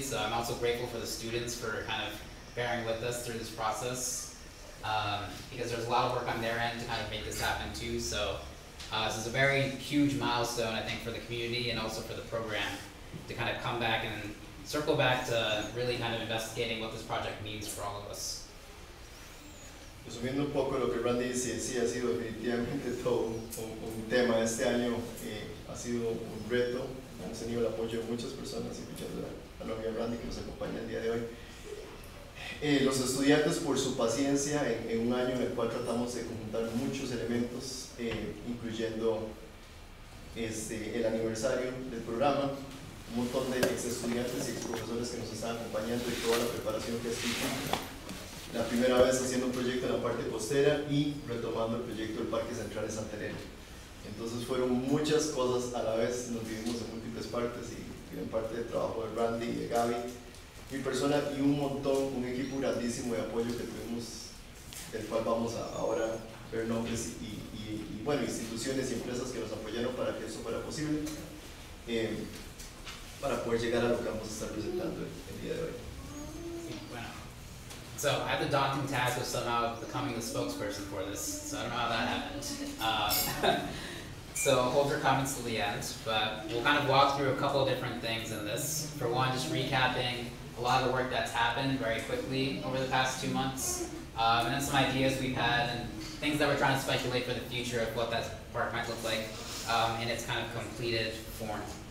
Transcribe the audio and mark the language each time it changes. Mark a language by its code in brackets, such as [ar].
[en] So I'm also grateful for the students for kind of bearing with us through this process, because there's a lot of work on their end to kind of make this happen too. So this is a very huge milestone, I think, for the community and also for the program to kind of come back and circle back to really kind of investigating what this project means for all of us. [es] Resumiendo un poco lo que Randy dice, sí, ha sido definitivamente todo un tema este año. Ha sido un reto, hemos tenido el apoyo de muchas personas, incluyendo a la novia Randy que nos acompaña el día de hoy. Los estudiantes, por su paciencia, en un año en el cual tratamos de conjuntar muchos elementos, incluyendo el aniversario del programa, un montón de ex estudiantes y ex profesores que nos están acompañando y toda la preparación que estuvo. La primera vez haciendo un proyecto en la parte costera y retomando el proyecto del Parque Central de Santa Elena. Entonces fueron muchas cosas a la vez, nos vivimos en múltiples partes y en parte del trabajo de Randy y de Gaby, mi persona y un montón, un equipo grandísimo de apoyo que tuvimos, del cual vamos a ahora ver nombres y bueno, instituciones y empresas que nos apoyaron para que eso fuera posible, para poder llegar a lo que vamos a estar presentando el día de hoy. [en] So I had the daunting task of somehow becoming the spokesperson for this, so I don't know how that happened. So hold your comments till the end, but we'll kind of walk through a couple of different things in this. For one, just recapping a lot of the work that's happened very quickly over the past 2 months, and then some ideas we've had and things that we're trying to speculate for the future of what that park might look like in its kind of completed form.